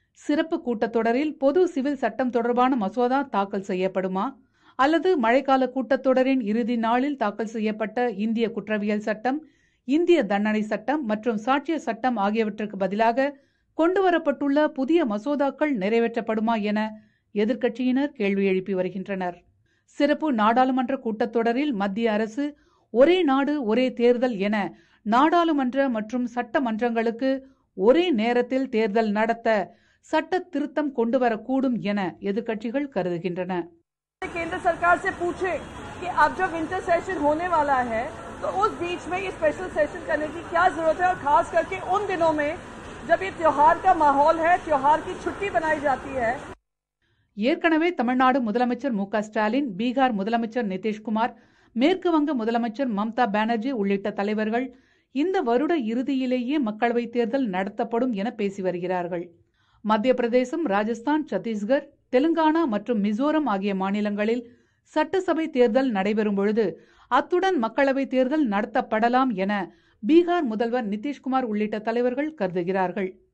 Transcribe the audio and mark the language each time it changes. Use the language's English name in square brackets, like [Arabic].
[Tamil] சிறப்பு கூட்டத்தொடரில் பொது சிவில் சட்டம் தொடர்பான மசோதா தாக்கல் செய்யப்படுமா அல்லது மழைக்கால கூட்டத்தொடரின் இறுதி நாளில் தாக்கல் செய்யப்பட்ட இந்திய குற்றவியல் சட்டம், இந்திய தண்டனை சட்டம் மற்றும் சாட்சிய சட்டம் ஆகியவற்றுக்கு பதிலாக கொண்டுவரப்பட்டுள்ள புதிய மசோதாக்கள் நிறைவேற்றப்படுமா என எதிர்க்கட்சியினர் கேள்வி எழுப்பி வருகின்றனர். சிறப்பு நாடாளுமன்ற கூட்டத்தொடரில் மத்திய அரசு ஒரே நாடு ஒரே தேர்தல் என நாடாளுமன்ற மற்றும் சட்டமன்றங்களுக்கு ஒரே நேரத்தில் தேர்தல் நடத்த சட்ட திருத்தம் கொண்டுவரக்கூடும் என எதிர்க்கட்சிகள் கருதுகின்றன. [Hindi] केंद्र सरकार से पूछे कि अब जब विंटर सेशन होने वाला है तो उस बीच में ये स्पेशल सेशन करने की क्या जरूरत है और खास करके उन दिनों में जब ये त्योहार का माहौल है, त्योहार की छुट्टी बनाई जाती है. [Tamil] ஏற்கனவே தமிழ்நாடு முதலமைச்சர் மு க ஸ்டாலின், பீகார் முதலமைச்சர் நிதிஷ்குமார், மேற்கு வங்க முதலமைச்சர் மம்தா பானர்ஜி உள்ளிட்ட தலைவர்கள் இந்த வருட இறுதியிலேயே மக்களவைத் தேர்தல் நடத்தப்படும் என பேசி வருகிறார்கள். மத்திய பிரதேசம், ராஜஸ்தான், சத்தீஸ்கர், தெலுங்கானா மற்றும் மிசோரம் ஆகிய மாநிலங்களில் சட்டசபை தேர்தல் நடைபெறும் பொழுது அத்துடன் மக்களவைத் தேர்தல் நடத்தப்படலாம் என பீகார் முதல்வர் நிதிஷ்குமார் உள்ளிட்ட தலைவர்கள் கருதுகிறார்கள்.